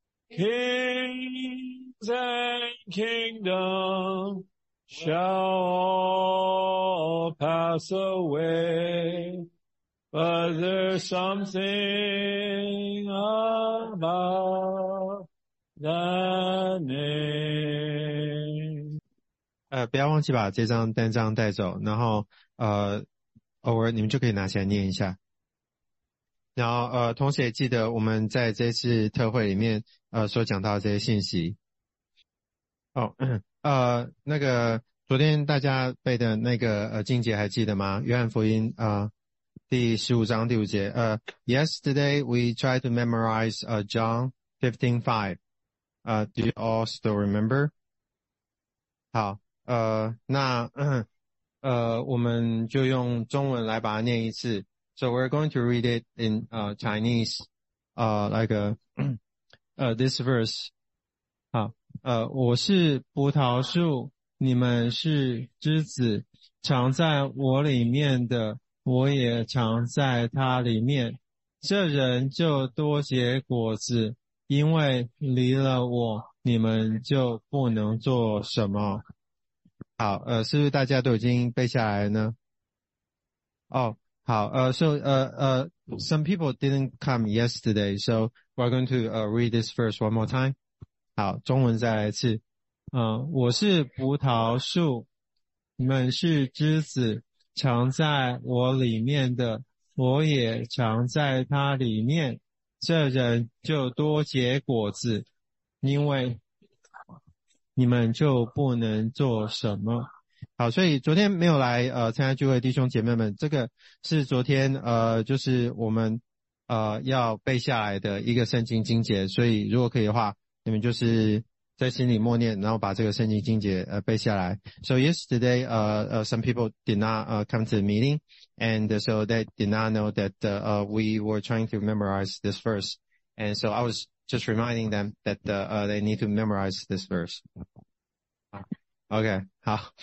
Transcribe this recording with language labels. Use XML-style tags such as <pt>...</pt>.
<en>Kings and kingdoms shall all pass away, but there's something about the name.</en> <zh>不要忘记把这张单张带走，然后偶尔你们就可以拿起来念一下。然后同时也记得我们在这次特会里面所讲到的这些信息。哦，那个昨天大家背的那个经节还记得吗？约翰福音第十五章第五节。</zh> <en>Yesterday we tried to memorize John 15:5. Do you all still remember?</en> <zh>好，那我们就用中文来把它念一次。</zh> <en>So we're going to read it in Chinese, like this verse.</en> <zh>好，我是葡萄树，你们是枝子，常在我里面的，我也常在他里面。这人就多结果子，因为离了我，你们就不能做什么。好，是不是大家都已经背下来了呢？</zh> <en>好，some people didn't come yesterday, so we're going to read this verse one more time.</en> <zh>好，中文再来一次。我是葡萄树，你们是枝子，常在我里面的，我也常在他里面。这人就多结果子，因为你们就不能做什么。好，所以昨天没有来参加聚会的弟兄姐妹们，这个是昨天就是我们要背下来的一个圣经经节，所以如果可以的话，你们就是在心里默念，然后把这个圣经经节背下来。</zh> <en>So yesterday, some people did not come to the meeting, and so they did not know that we were trying to memorize this verse, and so I was just reminding them that they need to memorize this verse. Okay, 好。</en>